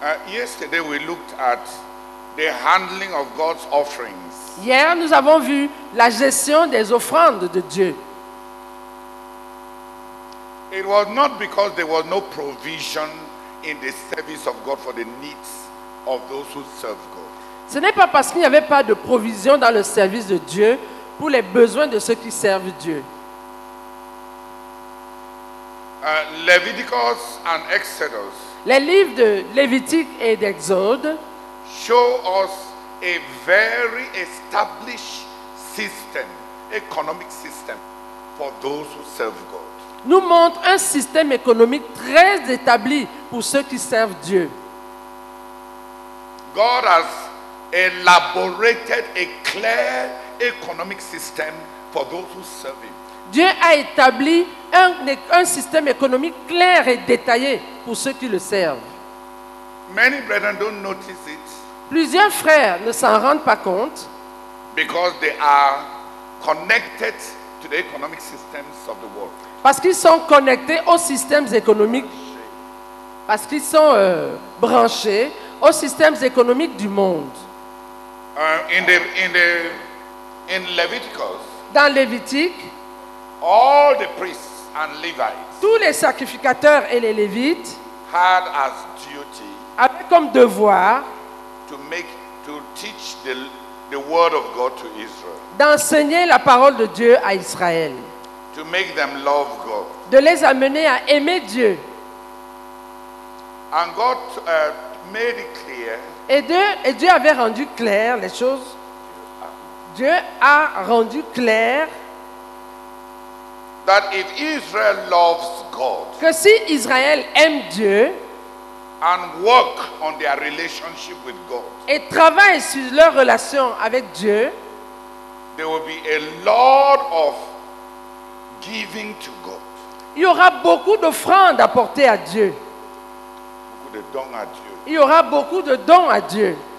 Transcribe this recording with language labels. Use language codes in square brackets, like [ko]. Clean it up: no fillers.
[en] Yesterday we looked at the handling of God's offerings. [fr] Hier, nous avons vu la gestion des offrandes de Dieu. [en] It was not because there was no provision in the service of God for the needs of those who serve God. [fr] Ce n'est pas parce qu'il n'y avait pas de provision dans le service de Dieu pour les besoins de ceux qui servent Dieu. [en] Leviticus and Exodus. [fr] Les livres de Lévitique et d'Exode [en] show us a very established system, economic system for those who serve God. [fr] Nous montre un système économique très établi pour ceux qui servent Dieu. [en] God has elaborated a clear economic system for those who serve him. [fr] Dieu a établi un système économique clair et détaillé pour ceux qui le servent. [en] Many brethren don't notice it. [fr] Plusieurs frères ne s'en rendent pas compte. [en] Because they are connected to the economic systems of the world. [fr] Parce qu'ils sont connectés aux systèmes économiques. Parce qu'ils sont branchés aux systèmes économiques du monde. [en] In Leviticus, [fr] dans Lévitique, [en] all the priests and Levites, [fr] tous les sacrificateurs et les Lévites, [en] had as duty, [fr] avaient comme devoir, [en] to teach the word of God to Israel, [fr] d'enseigner la parole de Dieu à Israël, [en] to make them love God, [fr] de les amener à aimer Dieu, [en] And God made it clear. [fr] Et Dieu avait rendu clair les choses. Dieu a rendu clair [en] that if Israel loves God, [fr] que si Israël aime Dieu [en] and work on their relationship with God, [fr] et travaille sur leur relation avec Dieu, [en] there will be a lot of giving to God. [fr] Il y aura beaucoup d'offrandes apportées à Dieu. Beaucoup de dons à Dieu. Il y aura beaucoup de dons à Dieu.